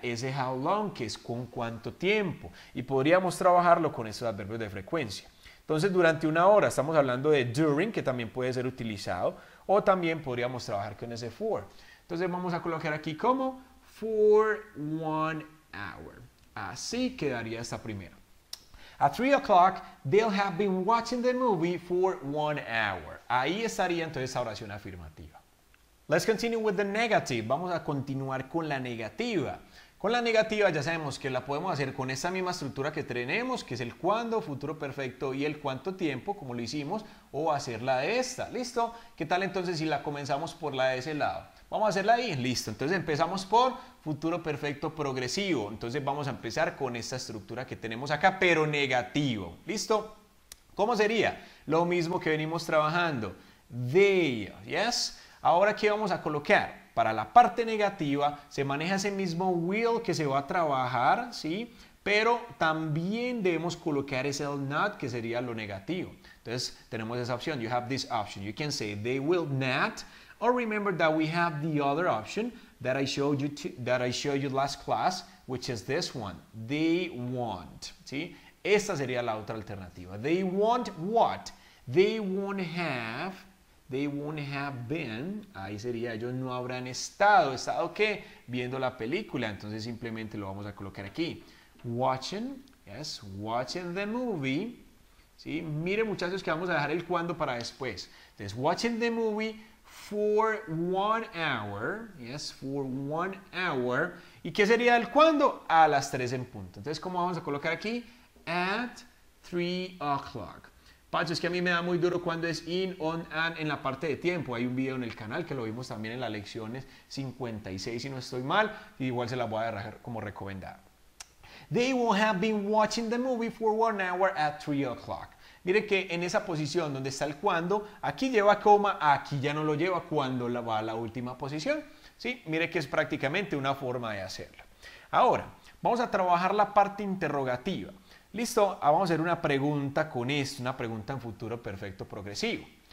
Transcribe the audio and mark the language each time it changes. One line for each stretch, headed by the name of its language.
Spanish: Ese how long, que es con cuánto tiempo. Y podríamos trabajarlo con esos adverbios de frecuencia. Entonces, durante una hora, estamos hablando de during, que también puede ser utilizado. O también podríamos trabajar con ese for. Entonces, vamos a colocar aquí como
English: for one hour.
Spanish: Así quedaría esta primera.
English: At 3 o'clock, they'll have been watching the movie for one hour.
Spanish: Ahí estaría entonces esa oración afirmativa.
English: Let's continue with the negative.
Spanish: Vamos a continuar con la negativa. Con la negativa ya sabemos que la podemos hacer con esa misma estructura que tenemos, que es el cuándo, futuro perfecto y el cuánto tiempo, como lo hicimos, o hacerla de esta. ¿Listo? ¿Qué tal entonces si la comenzamos por la de ese lado? Vamos a hacerla ahí. Listo. Entonces empezamos por futuro perfecto progresivo. Entonces vamos a empezar con esta estructura que tenemos acá, pero negativo. ¿Listo? ¿Cómo sería? Lo mismo que venimos trabajando. They. ¿Yes? Ahora, ¿qué vamos a colocar? Para la parte negativa, se maneja ese mismo will que se va a trabajar, ¿sí? Pero también debemos colocar ese not, que sería lo negativo. Entonces, tenemos esa opción.
English: You have this option. You can say they will not. Or remember that we have the other option that I showed you last class, which is this one. They want, ¿sí?
Spanish: Esta sería la otra alternativa.
English: They want what? They won't have been.
Spanish: Ahí sería, ellos no habrán estado. ¿Estado qué? Viendo la película. Entonces simplemente lo vamos a colocar aquí.
English: Watching, yes, watching the movie.
Spanish: ¿Sí? Miren, muchachos, que vamos a dejar el cuándo para después.
English: Entonces, watching the movie for 1 hour. Yes, for 1 hour.
Spanish: ¿Y qué sería el cuándo? A las 3 en punto. Entonces, ¿cómo vamos a colocar aquí?
English: At 3 o'clock.
Spanish: Pacho, es que a mí me da muy duro cuando es in, on, and en la parte de tiempo. Hay un video en el canal que lo vimos también en las lecciones 56, si no estoy mal. Igual se las voy a dejar como recomendada.
English: They will have been watching the movie for 1 hour at 3 o'clock.
Spanish: Mire que en esa posición donde está el cuando, aquí lleva coma, aquí ya no lo lleva cuando va a la última posición. ¿Sí? Mire que es prácticamente una forma de hacerlo. Ahora, vamos a trabajar la parte interrogativa. ¿Listo? Vamos a hacer una pregunta con esto, una pregunta en futuro perfecto progresivo.